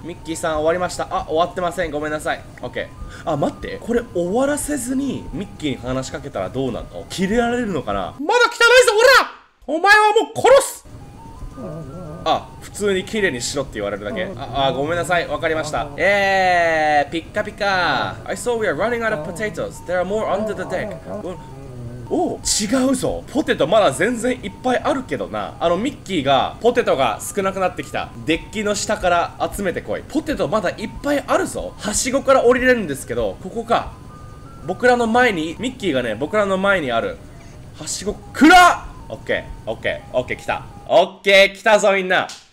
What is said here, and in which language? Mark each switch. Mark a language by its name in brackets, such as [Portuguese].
[Japanese] ミッキーさん終わりました。あ、終わってません、ごめんなさい。オッケー、あ、待って、これ終わらせずにミッキーに話しかけたらどうなの？切れられるのかな。まだ汚いぞ、おら、お前はもう殺す。あ、普通に綺麗にしろって言われるだけ。あ、ごめんなさい、わかりました。ピッカピカ。 [English] I saw we are running out of potatoes. There are more under the deck. [Japanese] お、違うぞ、ポテトまだ全然いっぱいあるけどな。あのミッキーがポテトが少なくなってきた、デッキの下から集めてこい、ポテトまだいっぱいあるぞ。はしごから降りれるんですけど、ここか。僕らの前にミッキーがね、僕らの前にあるはしご、くらっ、オッケーオッケーオッケー、来たオッケー、来たぞみんな。